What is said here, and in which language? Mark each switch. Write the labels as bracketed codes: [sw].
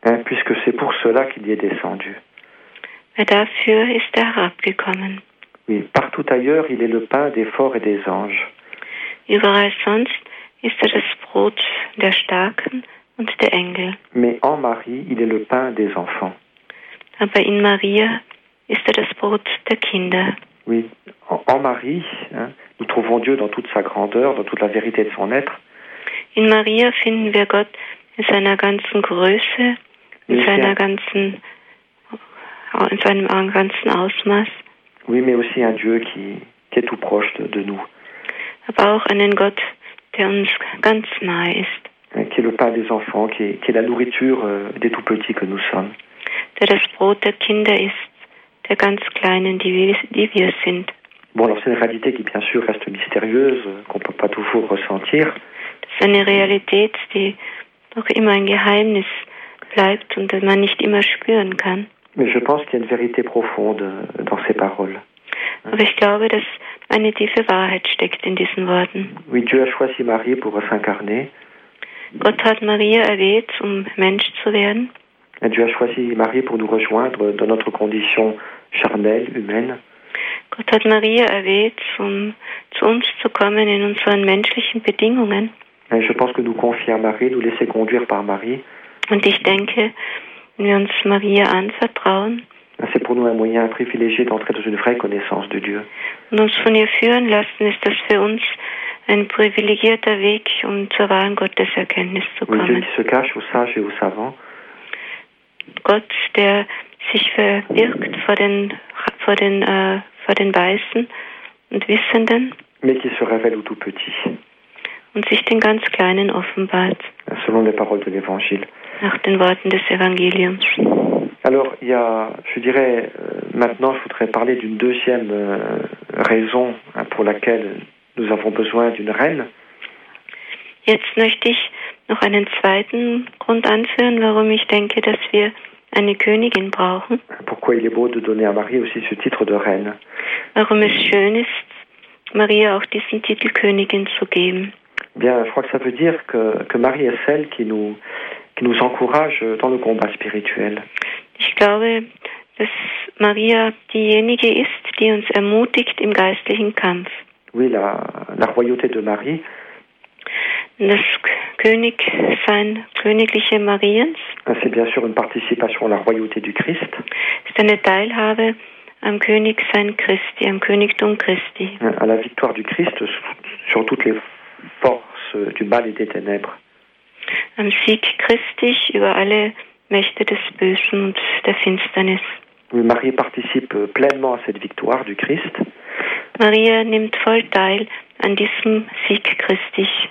[fr] Puisque c'est pour cela qu'il y est descendu. [de] Weil dafür ist er herabgekommen. [fr] Oui, partout ailleurs, il est le pain des forts et des anges. [de] Überall sonst ist er das Brot der Starken und der Engel. [fr] Mais en Marie, il est le pain des enfants. [de] Aber in Maria ist er das Brot der Kinder. [fr] Oui, en Marie, nous trouvons Dieu dans toute sa grandeur, dans toute la vérité de son être. [de] In Maria finden wir Gott in seiner ganzen Größe, in seinem ganzen Ausmaß. [fr] Oui, mais aussi un Dieu qui est tout proche de nous. [de] Aber auch einen Gott, der uns ganz nahe ist. [fr] Qui est le pain des enfants, qui est la nourriture des tout-petits que nous sommes. [de] Der das Brot der Kinder ist, der ganz Kleinen, die wir sind. [fr] Bon, alors c'est une réalité qui, bien sûr, reste mystérieuse, qu'on peut pas toujours ressentir. C'est une réalité qui [de] doch immer ein Geheimnis bleibt und das man nicht immer spüren kann. [fr] Mais je pense qu'il y a une vérité profonde dans ces paroles. [de] Aber ich glaube, dass eine tiefe Wahrheit steckt in diesen Worten. [fr] Oui, Dieu a choisi Marie pour s'incarner. [de] Gott hat Maria erwählt, um Mensch zu werden. [fr] Et Dieu a choisi Marie pour nous rejoindre dans notre condition charnelle, humaine. [de] Gott hat Maria erwählt, um zu uns zu kommen in unseren menschlichen Bedingungen. [fr] Et je pense que nous confier à Marie, nous laisser conduire par Marie. [de] Und ich denke, wenn wir uns Maria anvertrauen, [fr] c'est pour nous un moyen privilégié d'entrer dans une vraie connaissance de Dieu. [de] Und uns von ihr führen lassen, ist das für uns ein privilegierter Weg, um zur wahren Gotteserkenntnis zu kommen. [fr] Oui, Dieu qui se cache aux sages et aux savants. [de] Gott, der sich verbirgt vor den Weisen und Wissenden. [fr] Mais qui se révèle aux tout petits. [de] Und sich den ganz Kleinen offenbart. [fr] Selon les paroles de l'Évangile. [de] Nach den Worten des Evangeliums. [fr] Alors, il y a, je dirais, maintenant, je voudrais parler d'une deuxième raison pour laquelle nous avons besoin d'une reine. [de] Jetzt möchte ich noch einen zweiten Grund anführen, warum ich denke, dass wir eine Königin brauchen. [fr] Pourquoi il est beau de donner à Marie aussi ce titre de reine? [de] Warum es schön ist, Maria auch diesen Titel Königin zu geben? [fr] Bien, je crois que ça veut dire que Marie est celle qui nous encourage dans le combat spirituel. [de] Ich glaube, dass Maria diejenige ist, die uns ermutigt im geistlichen Kampf. [fr] Oui, la royauté de Marie. [de] Das Königsein, königliche Mariens. [fr] C'est bien sûr une participation à la royauté du Christ. [de] Ist eine Teilhabe am Königsein Christi, am Königtum Christi. [fr] À la victoire du Christ sur toutes les forces du mal et des ténèbres. [de] Am Sieg Christi über alle Mächte des Bösen und der Finsternis. [fr] Oui, Marie participe pleinement à cette victoire du Christ. [de] Maria nimmt voll teil an diesem Sieg Christi.